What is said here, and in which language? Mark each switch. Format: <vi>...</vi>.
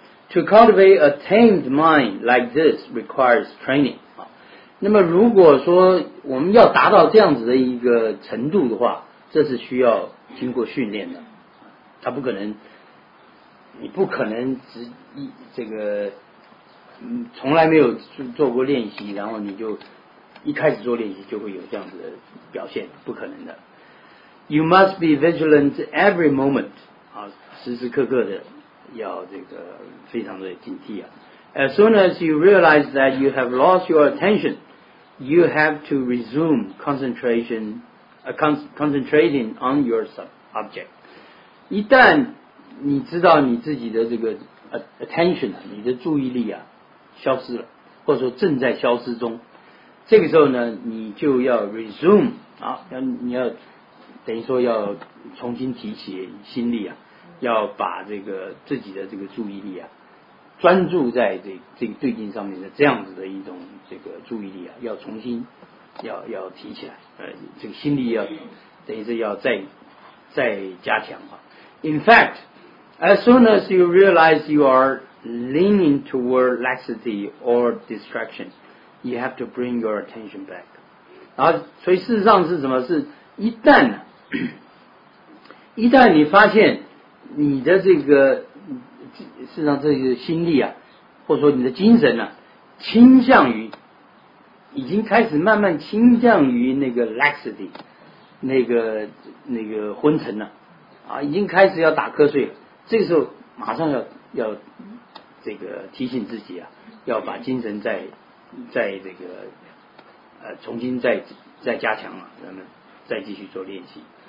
<en>To cultivate a tamed mind like this requires training.</en> <zh>那么如果说我们要达到这样子的一个程度的话，这是需要经过训练的。它不可能，你不可能只一这个。从来没有做过练习，然后你就一开始做练习就会有这样子的表现，不可能的。</zh> <en>You must be vigilant every moment.</en> <zh>啊，时时刻刻的要这个非常的警惕啊。</zh> <en>As soon as you realize that you have lost your attention, you have to resume concentrating on your object.</en> <zh>一旦你知道你自己的这个 attention, 你的注意力啊消失了，或者说正在消失中，这个时候呢，你就要 resume 啊，你要等于说要重新提起心力啊，要把这个自己的这个注意力啊，专注在这个对境上面的这样子的一种这个注意力啊，要重新要提起来，这个心力要等于是要再加强啊。</zh> <en>In fact, as soon as you realize you are leaning toward laxity or distraction, you have to bring your attention back.</en> <zh>然后所以事实上是什么？是一旦你发现你的这个事实上这个心力啊，或者说你的精神啊，倾向于已经开始慢慢倾向于那个 laxity, 那个昏沉了啊，已经开始要打瞌睡了，这个时候马上要这个提醒自己啊，要把精神再这个重新再加强了，咱们再继续做练习。</zh>